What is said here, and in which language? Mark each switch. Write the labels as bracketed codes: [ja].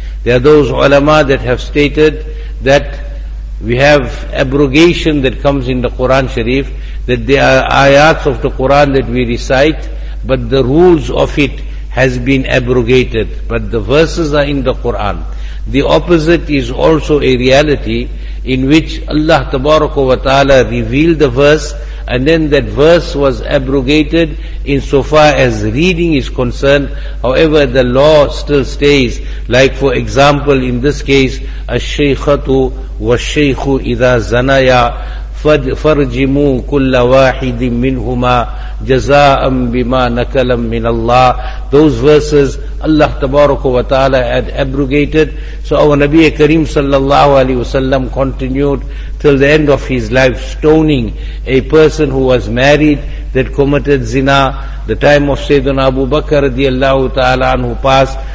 [en] There are those ulama that have stated that we have abrogation that comes in the Quran Sharif, that there are ayats of the Quran that we recite, but the rules of it has been abrogated, but the verses are in the Quran. The opposite is also a reality, in which Allah Tabaraka wa Ta'ala revealed the verse, and then that verse was abrogated insofar as reading is concerned. However, the law still stays. Like for example, in this case, [ar] الشيخة والشيخ إذا زنايا فرجموا كل واحد منهما جزاء بما نكلا من الله. [en] Those verses Allah Tabaraka wa Ta'ala had abrogated. So our Nabi Kareem sallallahu alayhi wasallam continued till the end of his life stoning a person who was married that committed zina. The time of Sayyidina Abu Bakr radiallahu ta'ala anhu passed.